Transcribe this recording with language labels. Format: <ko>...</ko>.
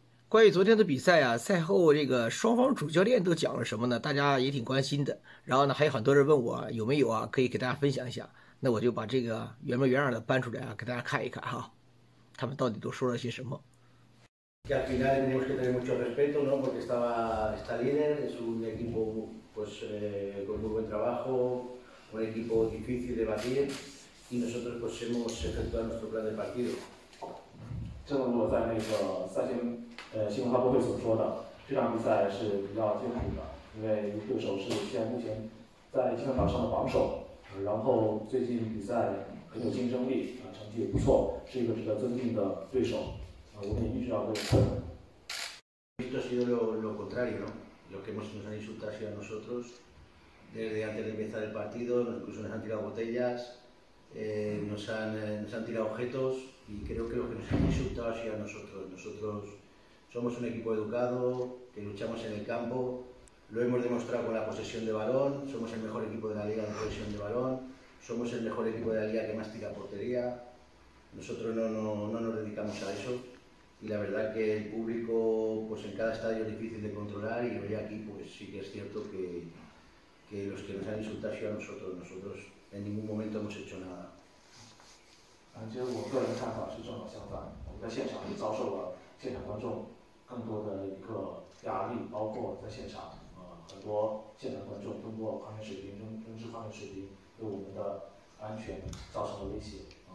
<zh>关于昨天的比赛啊，赛后这个双方主教练都讲了什么呢？大家也挺关心的。然后呢，还有很多人问我有没有啊，可以给大家分享一下。那我就把这个原模原样的搬出来啊，给大家看一看哈，他们到底都说了些什么。</zh> <es>Que al final tenemos que tener mucho respeto, ¿no? Porque está líder, es un equipo pues, con muy buen trabajo, un equipo difícil de batir y nosotros pues, hemos efectuado nuestro plan de partido.</es> <zh>正如我在那个赛前新闻发布会所说的，这场比赛是比较艰苦的，因为对手是现在目前在积分榜上的榜首，然后最近比赛很有竞争力，成绩也不错，是一个值得尊敬的对手，我们也意识到这个。</zh> <es>Esto ha sido lo contrario, ¿no? Lo que hemos, nos han insultado ha sido a nosotros desde antes de empezar el partido, incluso nos han tirado botellas, nos han tirado objetos y creo que lo que nos han insultado ha sido a nosotros. Nosotros somos un equipo educado, que luchamos en el campo, lo hemos demostrado con la posesión de balón, somos el mejor equipo de la liga en posesión de balón, somos el mejor equipo de la liga que más tira portería, nosotros no nos dedicamos a eso. Y la verdad que el público, pues en cada estadio es difícil de controlar y hoy aquí, pues sí que es cierto que los que nos han insultado sí a nosotros, nosotros en ningún momento hemos hecho nada.</es> <zh>其实我个人看法是正好相反，我在现场也遭受了现场观众更多的一个压力，包括在现场，很多现场观众通过抗议水平、争执抗议水平，对我们的安全造成了威胁。</zh>